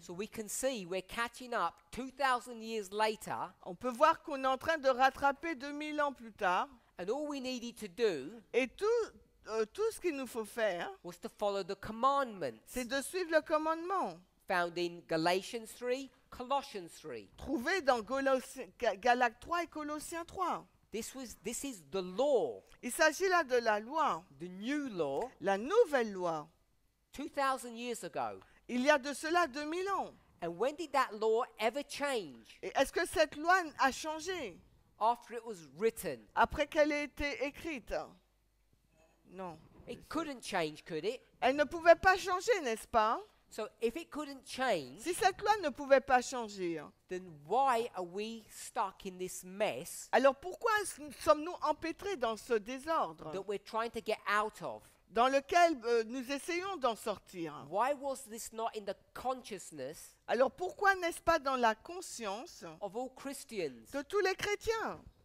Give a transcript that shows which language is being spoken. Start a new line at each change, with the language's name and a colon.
English: So we can see we're catching up 2,000 years later.
French: On peut voir qu'on est en train de rattraper 2000 ans plus tard.
English: And all we needed to do.
French: Et tout ce qu'il nous faut faire.
English: Was to follow the commandments.
French: C'est de suivre le commandement.
English: Found in Galatians 3. Colossians 3.
French: Trouvé dans Galates 3 et Colossiens 3.
English: This is the law.
French: Il s'agit là de la loi.
English: The new law.
French: La nouvelle loi.
English: 2000 years ago.
French: Il y a de cela 2000 ans.
English: And when did that law ever change?
French: Et est-ce que cette loi a changé?
English: After it was written.
French: Après qu'elle ait été écrite? Non.
English: It couldn't change, could it?
French: Elle ne pouvait pas changer, n'est-ce pas?
English: So if it couldn't change,
French: si cette loi ne pouvait pas changer,
English: then why are we stuck in this mess?
French: Alors pourquoi sommes-nous empêtrés dans ce désordre?
English: That we're trying to get out of.
French: Dans lequel nous essayons d'en sortir.
English: Why was this not in the consciousness?
French: Alors pourquoi n'est-ce pas dans la conscience
English: of all Christians?
French: De tous les chrétiens.